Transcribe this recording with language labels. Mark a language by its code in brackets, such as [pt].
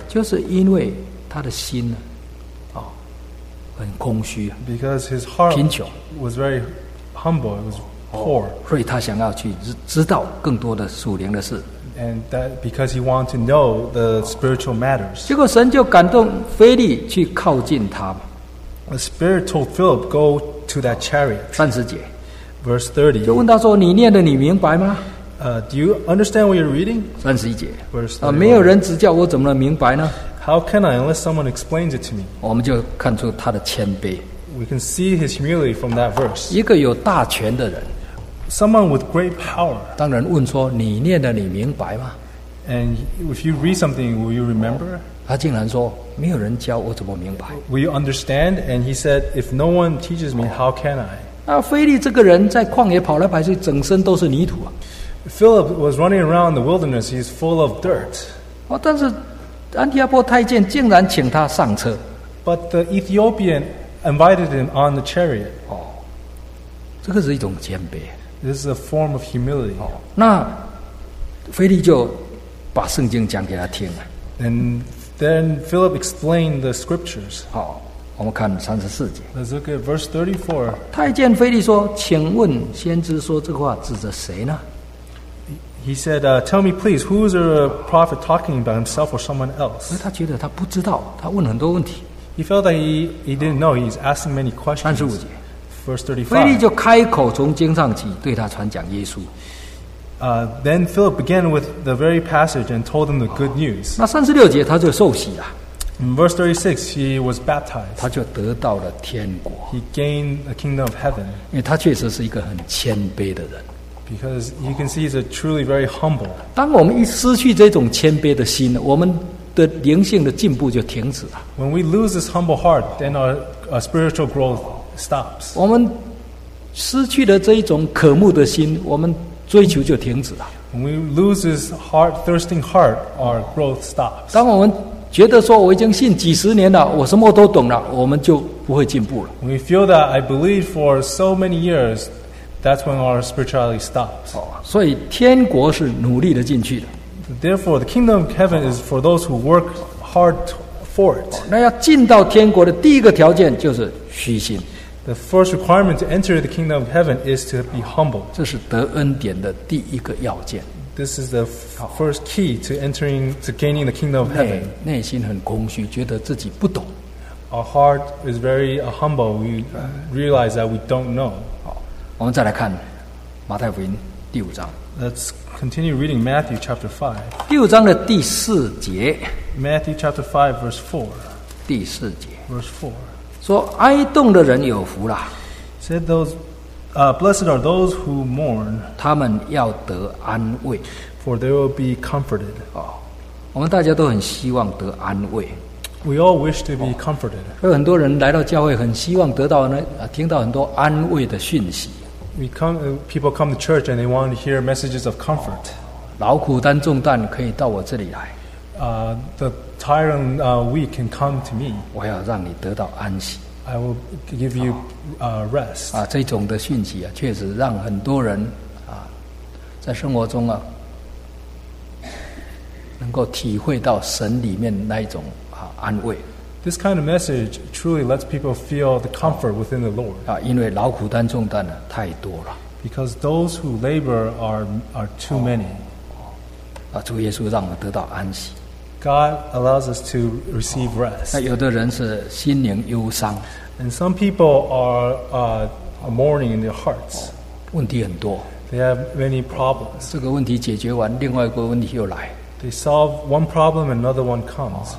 [zh] 就是因为他的心呢，很空虚。 [en] Because his heart was very humble. It was poor. [zh] 所以他想要去知道更多的属灵的事。 [en] And that because he wanted to know the spiritual matters. [zh] 结果神就感动腓力去靠近他。 [en] The Spirit told Philip go to that chariot. [zh] 三十节 [en] ，verse 30. [zh] 就问他说：“你念的你明白吗？” [en] Do you understand what you're reading? [zh] 三十一节 [en] ，verse 31. [zh] 没有人指教我怎么能明白呢 [en] ？How can I unless someone explains it to me? [zh] 我们就看出他的谦卑。 [en] We can see his humility from that verse. [zh] 一个有大权的人。 [en] Someone with great power. [zh] 当然问说你念的你明白吗 [en] ？And if you read something, will you remember? [zh] 他竟然说没有人教我怎么明白。 [en] Will you understand? And he said, if no one teaches me, how can I? [zh] 那腓力这个人在旷野跑来跑去，整身都是泥土啊。 [en] Philip was running around the wilderness. He's full of dirt. [zh] 但是安提阿波太监竟然请他上车。 [en] But the Ethiopian invited him on the chariot. [zh] 这个是一种谦卑。 [en] This is a form of humility. [zh] 那腓力就把圣经讲给他听了。 [en] And then Philip explained the scriptures. [zh] 好，我们看三十四节。 [en] Let's look at verse 34. [zh] 太监腓力说：“请问先知说这话指着谁呢 [en] ？”He said, "Tell me, please, who is a prophet talking about himself or someone else?" [zh] 他觉得他不知道，他问很多问题。 [en] He felt that he didn't know. He's asking many questions. [zh] 三十五节。 [en] Verse 35, [zh] 腓力就开口从经上起对他传讲耶稣。 [en] Then Philip began with the very passage and told them the good news. [zh] 那三十六节他就受洗了。 [en] In verse 36, he was baptized. [zh] 他就得到了天国。 [en] He gained a kingdom of heaven. [zh] 因为他确实是一个很谦卑的人。 [en] Because you can see he's a truly very humble. [zh] 当我们一失去这种谦卑的心，我们的灵性的进步就停止了。 [en] When we lose this humble heart, then our spiritual growth stops. [zh] 我们失去了这一种渴慕的心，我们追求就停止了。 [en] When we lose this heart, thirsting heart, our growth stops. [zh] 当我们觉得说我已经信几十年了，我什么都懂了，我们就不会进步了。 [en] When we feel that I believe for so many years, that's when our spirituality stops. [zh] 所以天国是努力的进去的。 [en] Therefore, the kingdom of heaven is for those who work hard for it. [zh] 那要进到天国的第一个条件就是虚心。 [en] The first requirement to enter the kingdom of heaven is to be humble. [zh] 这是得恩典的第一个要件。 [en] This is the first key to entering, to gaining the kingdom of heaven. [zh] 内心很空虚，觉得自己不懂。 [en] Our heart is very humble. We realize that we don't know. [zh] 我们再来看马太福音第五章。 [en] Let's continue reading Matthew chapter 5. [zh] 第五章的第四节。 [en] Matthew chapter 5 verse 4. [zh] 第四节。 [en] Verse 4. [zh] 说哀恸的人有福了。 [en] Said those, blessed are those who mourn. [zh] 他们要得安慰。 [en] For they will be comforted. [zh] 我们大家都很希望得安慰。 [en] We all wish to be comforted. [zh] 所以很多人来到教会，很希望得到呢，听到很多安慰的讯息。 [en] People come to church and they want to hear messages of comfort. [zh] 劳苦担重担可以到我这里来。 [en] The tired and weak can come to me. [zh] 我要让你得到安息。 [en] I will give you rest. [zh] 这种的讯息啊，确实让很多人在生活中啊，能够体会到神里面那一种安慰。 [en] This kind of message truly lets people feel the comfort within the Lord. [zh] 因为劳苦担重担呢太多了。 [en] Because those who labor are too many. [zh] 主耶稣让我们得到安息。 [en] God allows us to receive rest. [zh] 那有的人是心灵忧伤。 [en] And some people are mourning in their hearts. [zh] 问题很多。 [en] They have many problems. [zh] 这个问题解决完，另外一个问题又来。 [en] They solve one problem, another one comes.